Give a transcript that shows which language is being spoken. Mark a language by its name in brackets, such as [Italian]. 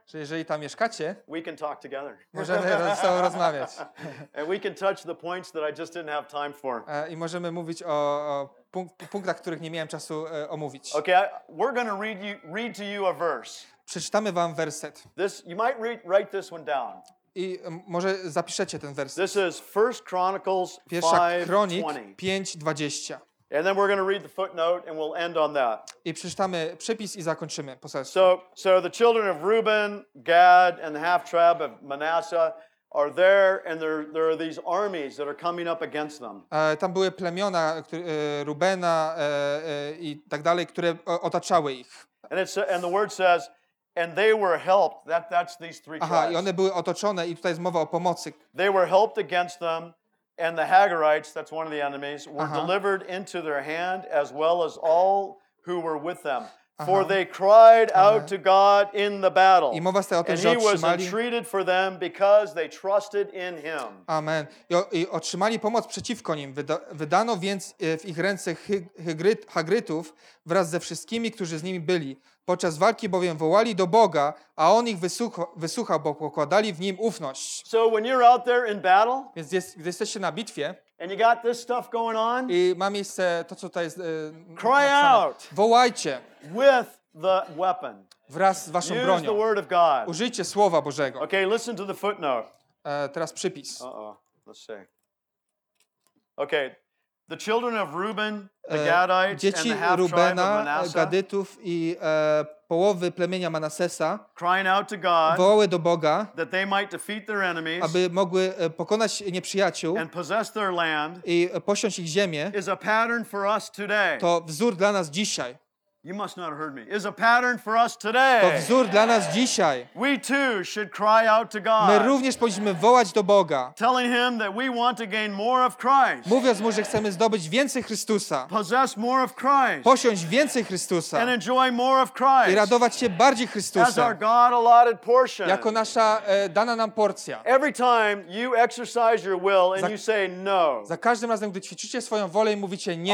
[Polish] Czy jeżeli tam mieszkacie? [English] We can talk together. [Polish] Możemy ze sobą rozmawiać. [English] And we can touch the points that I just didn't have time for. [Polish] I możemy mówić o punktach, których nie miałem czasu omówić. [English] Okay, we're going to read to you a verse. [Polish] Przeczytamy wam werset. [English] This you might write this one down. [Polish] I może zapiszecie ten werset. [English] This is 1 Chronicles 5:20. And then we're going to read the footnote and we'll end on that. [Polish] I przeczytamy przepis i zakończymy poselstwo. [English] So the children of Reuben, Gad and the half tribe of Manasseh are there and there are these armies that are coming up against them. [Polish] Tam były plemiona Rubena i tak dalej, które otaczały ich. [English] And the word says and they were helped. That's these three tribes. [Polish] Aha, i one były otoczone i tutaj jest mowa o pomocy. [English] They were helped against them and the Hagarites, that's one of the enemies, were delivered into their hand as well as all who were with them. For they cried out to God in the battle. [Polish] I mowa jest o tym, [English] and he was entreated for them because they trusted in him. Amen. [Polish] I otrzymali pomoc przeciwko nim. Wydano więc w ich ręce Hagrytów wraz ze wszystkimi, którzy z nimi byli. Podczas walki bowiem wołali do Boga, a On ich wysłuchał, bo pokładali w Nim ufność. [English] So when you're out there in battle, [Polish] więc gdy jesteście na bitwie [English] and you got this stuff going on, [Polish] i ma miejsce to, co tutaj jest [English] cry out, [Polish] wołajcie [English] with the weapon. [Polish] Wraz z waszą [English] use [Polish] bronią. [English] The word of God. [Polish] Użyjcie Słowa Bożego. [English] Okay, listen to the footnote. [Polish] Teraz przypis. [English] Let's see. Okay. The children of Reuben, the Gadites, [Polish] dzieci [English] and the [Polish] Rubena, [English] Manasseh, [Polish] Gadytów i połowy plemienia Manasesa [English] crying out to God, [Polish] wołały do Boga, [English] that they might defeat their enemies, [Polish] aby mogły pokonać nieprzyjaciół [English] and possess their land, [Polish] i posiąść ich ziemię, [English] is a pattern for us today. [Polish] To wzór dla nas dzisiaj. [English] You must not have heard me. Is a pattern for us today. [Polish] To wzór dla nas dzisiaj. [English] We too should cry out to God. [Polish] My również powinniśmy wołać do Boga. [English] Telling him that we want to gain more of Christ. [Polish] Mówiąc mu, że chcemy zdobyć więcej Chrystusa. [English] Possess more of Christ. [Polish] Posiąść więcej Chrystusa. [English] And enjoy more of Christ. [Polish] I radować się bardziej Chrystusem. [English] As our God allotted portion. [Polish] Jako nasza dana nam porcja. [English] Every time you exercise your will and you say no. [Polish] Za każdym razem, gdy ćwiczycie swoją wolę i mówicie nie.